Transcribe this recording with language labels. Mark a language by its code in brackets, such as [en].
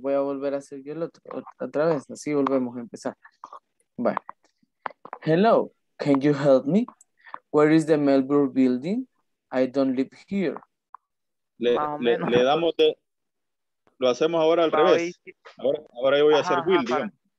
[es] Voy a volver a hacer yo el otro otra vez. Así volvemos a empezar. [en] Bye. Hello. Can you help me? Where is the Melbourne building? I don't live here. [es] le damos de, lo hacemos ahora al revés. Ahora, ahora yo voy a hacer Will, digamos.